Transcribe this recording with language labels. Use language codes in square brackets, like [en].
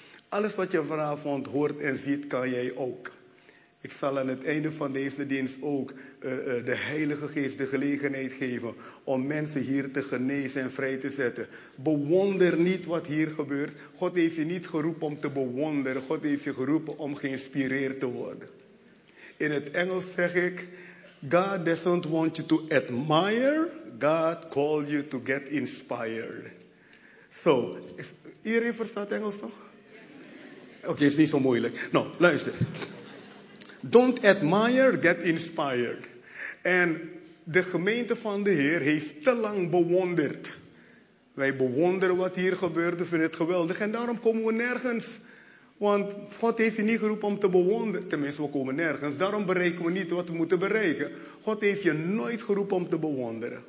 [nl] Alles wat je vanavond hoort en ziet, kan jij ook. Ik zal aan het einde van deze dienst ook de Heilige Geest de gelegenheid geven om mensen hier te genezen en vrij te zetten. Bewonder niet wat hier gebeurt. God heeft je niet geroepen om te bewonderen. God heeft je geroepen om geïnspireerd te worden. In het Engels zeg ik, [en] God doesn't want you to admire, God called you to get inspired. [nl] Zo, iedereen verstaat Engels toch? Oké, is niet zo moeilijk. Nou, luister. [en] Don't admire, get inspired. [nl] En de gemeente van de Heer heeft te lang bewonderd. Wij bewonderen wat hier gebeurde, vinden het geweldig. En daarom komen we nergens. Want God heeft je niet geroepen om te bewonderen. Tenminste, we komen nergens. Daarom bereiken we niet wat we moeten bereiken. God heeft je nooit geroepen om te bewonderen.